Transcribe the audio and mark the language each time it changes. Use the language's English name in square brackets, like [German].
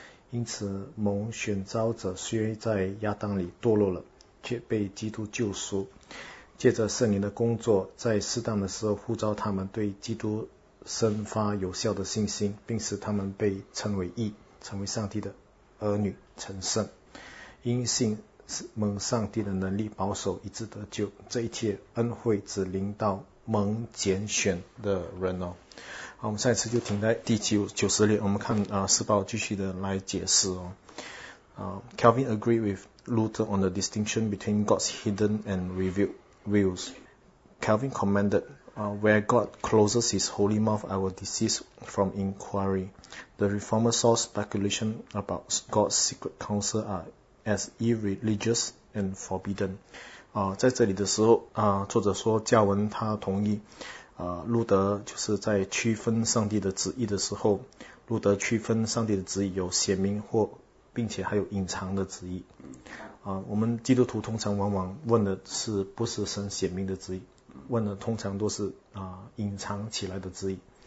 [Chinese] 因此，蒙选召者虽在亚当里堕落了，却被基督救赎，借着圣灵的工作，在适当的时候呼召他们对基督生发有效的信心，并使他们被称为义，成为上帝的儿女成圣，因信蒙上帝的能力保守，以致得救。这一切恩惠只临到蒙拣选的人哦。好，我们下一次就停在第96页，我们看四报继续的来解释哦。 [English] Calvin agree with Luther on the distinction between God's hidden and revealed wills. Calvin commented, "Where God closes His holy mouth, I will desist from inquiry." The Reformers saw speculation about God's secret counsel as irreligious and forbidden. [Chinese] 在这里的时候，作者说加文他同意，路德就是在区分上帝的旨意的时候，路德区分上帝的旨意有显明或并且还有隐藏的旨意。我们基督徒通常往往问的是不是神显明的旨意，问的通常都是隐藏起来的旨意。